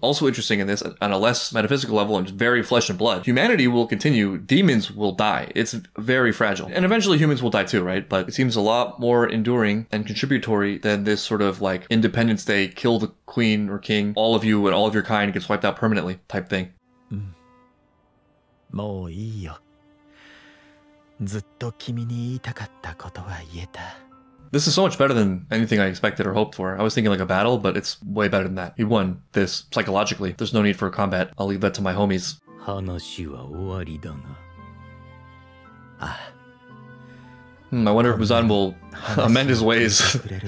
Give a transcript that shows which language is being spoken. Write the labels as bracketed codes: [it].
[en] Also interesting in this, on a less metaphysical level and very flesh and blood, humanity will continue, demons will die. It's very fragile. And eventually humans will die too, right? But it seems a lot more enduring and contributory than this sort of like Independence Day, kill the queen or king, all of you and all of your kind gets wiped out permanently type thing. [ja] もういいよ。ずっと君に言いたかったことは言えた。 [en] This is so much better than anything I expected or hoped for. I was thinking like a battle, but it's way better than that. He won this psychologically. There's no need for combat. I'll leave that to my homies. [ja] 話は終わりだが。 [en] I wonder if Muzan will amend his ways.